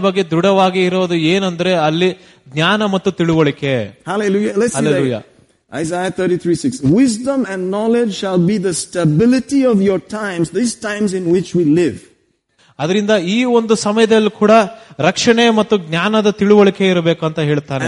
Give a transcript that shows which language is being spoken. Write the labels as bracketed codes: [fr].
[kn] ಬಗ್ಗೆ ದೃಢವಾಗಿ ಇರೋದು ಏನಂದ್ರೆ ಅಲ್ಲಿ ಜ್ಞಾನ ಮತ್ತು ತಿಳುವಳಿಕೆ. [en] Hallelujah. Let's see. Hallelujah. Isaiah 33:6. Wisdom and knowledge shall be the stability of your times, these times in which we live. [kn] ಅದರಿಂದ ಈ ಒಂದು ಸಮಯದಲ್ಲೂ ಕೂಡ ರಕ್ಷಣೆ ಮತ್ತು ಜ್ಞಾನದ ತಿಳುವಳಿಕೆ ಇರಬೇಕು ಅಂತ ಹೇಳ್ತಾರೆ.